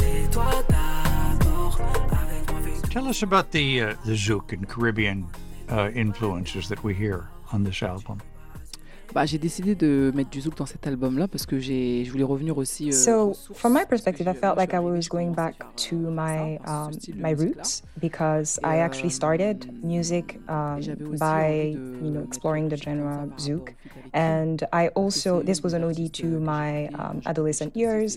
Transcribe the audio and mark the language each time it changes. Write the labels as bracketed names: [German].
[English] Tell us about the Zouk and Caribbean influences that we hear on this album. [French] Bah, j'ai décidé de mettre du zouk dans cet album-là parce que je voulais revenir aussi. [English] So from my perspective, I felt like I was going back to my roots because I actually started music by exploring the genre zouk, and I also this was an ode to my adolescent years.